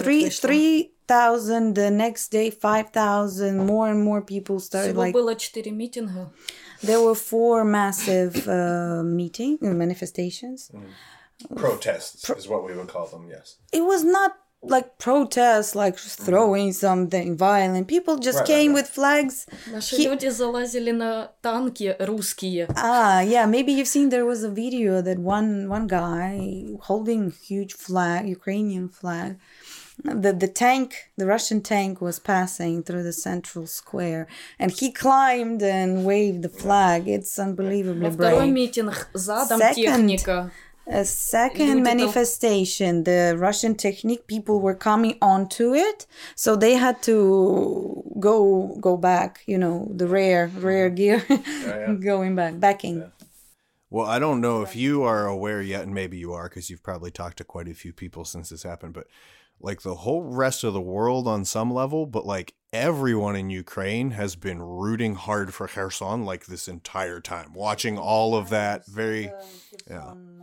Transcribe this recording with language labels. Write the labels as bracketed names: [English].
[English] 3,000, the next day 5,000, more and more people started. [Russian] Всего [English] like [Russian] было 4 митинга. [English] There were 4 massive meeting manifestations. Protests is what we would call them, yes. It was not like protests, like throwing something violent. People just came with flags. [Russian] Наши люди залазили на танки русские. [English] Ah, yeah, maybe you've seen there was a video that one guy holding huge flag, Ukrainian flag. The tank, the Russian tank was passing through the central square and he climbed and waved the flag. It's unbelievably brave. [Russian] Второй митинг задом техника. [English] A second manifestation, the Russian technique, people were coming onto it, so they had to go back, you know, the rare gear, going backing. Yeah. Well, I don't know if you are aware yet, and maybe you are, because you've probably talked to quite a few people since this happened, but like the whole rest of the world on some level, but like everyone in Ukraine has been rooting hard for Kherson like this entire time, watching all of that very, yeah.